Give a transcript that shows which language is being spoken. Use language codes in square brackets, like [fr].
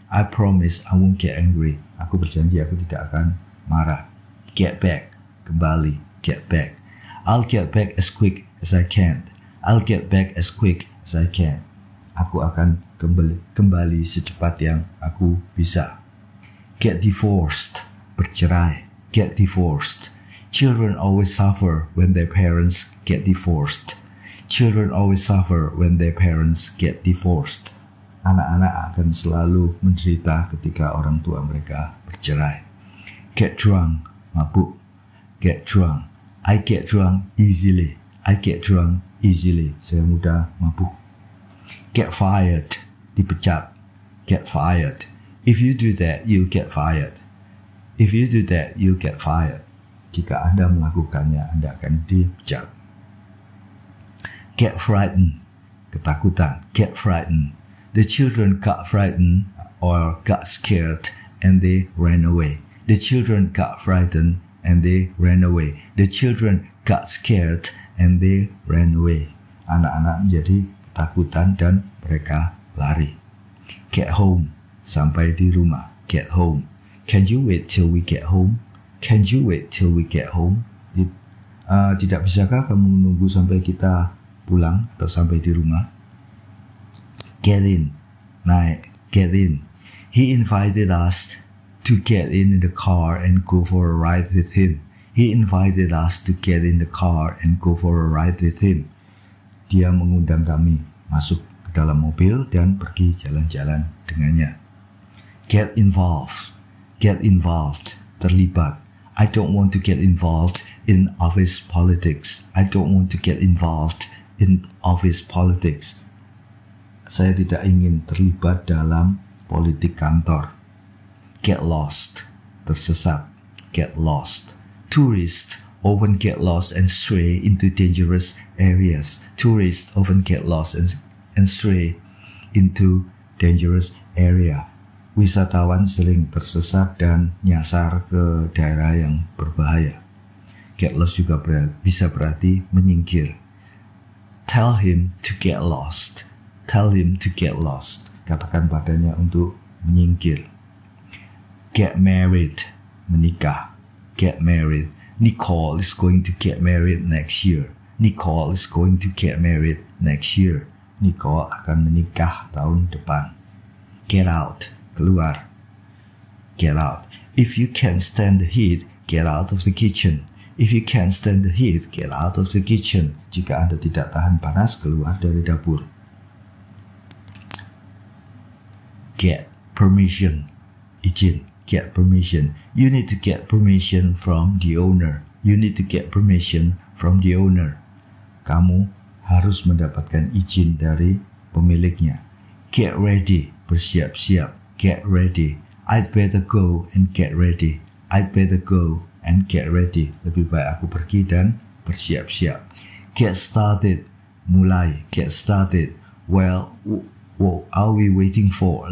[id] Aku berjanji aku tidak akan marah. [en] Get back. Kembali. Get back. I'll get back as quick as I can. [id] Aku akan kembali secepat yang aku bisa. [en] Get divorced. Bercerai. Get divorced. Children always suffer when their parents get divorced. Children always suffer when their parents get divorced. [id] Anak-anak akan selalu menderita ketika orang tua mereka bercerai. [en] Get drunk, mabuk. Get drunk. I get drunk easily. I get drunk easily. Saya mudah mabuk. Get fired, dipecat. Get fired. If you do that, you'll get fired. If you do that, you'll get fired. [id] Jika Anda melakukannya, Anda akan dipecat. [en] Get frightened, ketakutan. Get frightened. The children got frightened or got scared and they ran away. The children got frightened and they ran away. The children got scared and they ran away. [id] Anak-anak menjadi ketakutan dan mereka lari. [en] Get home. Sampai di rumah. Get home. Can you wait till we get home? Can you wait till we get home? [id] Tidak bisakah kamu menunggu sampai kita pulang atau sampai di rumah? [en] Get in. Naik. Get in. He invited us to get in the car and go for a ride with him. He invited us to get in the car and go for a ride with him. [id] Dia mengundang kami masuk ke dalam mobil dan pergi jalan-jalan dengannya. [en] Get involved. Get involved. Terlibat. I don't want to get involved in office politics. I don't want to get involved in office politics. [id] Saya tidak ingin terlibat dalam politik kantor. [en] Get lost. Tersesat. Get lost. Tourists often get lost and stray into dangerous areas. Tourists often get lost and stray into dangerous area. [id] Wisatawan sering tersesat dan nyasar ke daerah yang berbahaya. [en] Get lost juga bisa berarti menyingkir. Tell him to get lost. Tell him to get lost. Katakan padanya untuk menyingkir. Get married. Menikah. Get married. Nicole is going to get married next year. Nicole is going to get married next year. [id] Nicole akan menikah tahun depan. [en] Get out. Keluar. Get out. If you can't stand the heat, get out of the kitchen. If you can't stand the heat, get out of the kitchen. [id] Jika Anda tidak tahan panas, keluar dari dapur. [en] Get permission. Izin. Get permission. You need to get permission from the owner. You need to get permission from the owner. [id] Kamu harus mendapatkan izin dari pemiliknya. [en] Get ready. Bersiap-siap. Get ready. I'd better go and get ready. I'd better go and get ready. [id] Lebih baik aku pergi dan bersiap-siap. [en] Get started. Mulai. Get started. Well, what are we waiting for?